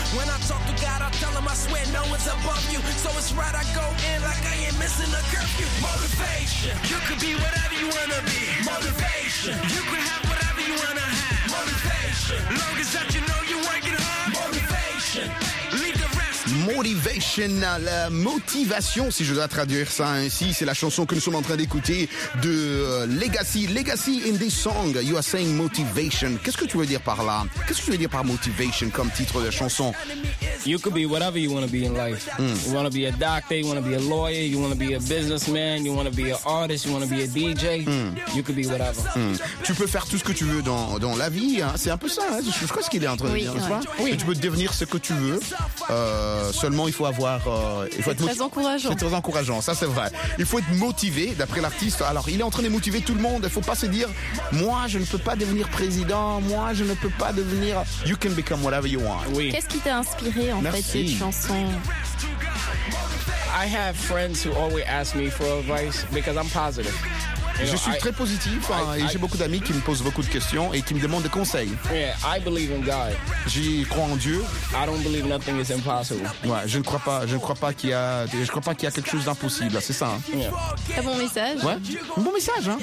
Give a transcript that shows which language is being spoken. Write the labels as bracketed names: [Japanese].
[English] When I talk to God, I tell him I swear no one's above you. So it's right I go in like I ain't missing a curfew. Motivation. You could be whatever you wanna be. Motivation. You could have whatever you wanna have. Motivation. Long as that you know you're working hard. Motivation. [French] Motivation, la motivation, si je dois traduire ça ainsi, c'est la chanson que nous sommes en train d'écouter de Legacy. [English] Legacy, in this song, you are saying motivation. [French] Qu'est-ce que tu veux dire par là? Qu'est-ce que tu veux dire par motivation comme titre de chanson? [English] You could be whatever you want to be in life. You want to be a doctor, you want to be a lawyer, you want to be a businessman, you want to be an artist, you want to be a DJ. You could be whatever. [French] Tu peux faire tout ce que tu veux dans la vie. Hein. C'est un peu ça. Hein. Je crois ce qu'il est en train de dire. Oui, tu vois? Oui. Tu peux devenir ce que tu veux. Seulement, il faut avoir... Encourageant. C'est très encourageant, ça c'est vrai. Il faut être motivé, d'après l'artiste. Alors, il est en train de motiver tout le monde. Il ne faut pas se dire, moi, je ne peux pas devenir président. Moi, je ne peux pas devenir... [English] You can become whatever you want. [French] Oui. Qu'est-ce qui t'a inspiré, en Merci. Fait, cette chanson? [English] I have friends who always ask me for advice because I'm positive. [French] Je suis très positif et j'ai beaucoup d'amis qui me posent beaucoup de questions et qui me demandent des conseils. [English] Yeah, I believe in God. [French] J'y crois en Dieu. [English] I don't believe nothing is impossible. [French] Ouais, je ne crois pas qu'il y a quelque chose d'impossible, c'est ça. Hein. [English] Yeah. [French] Un bon message. Ouais. Un bon message, hein.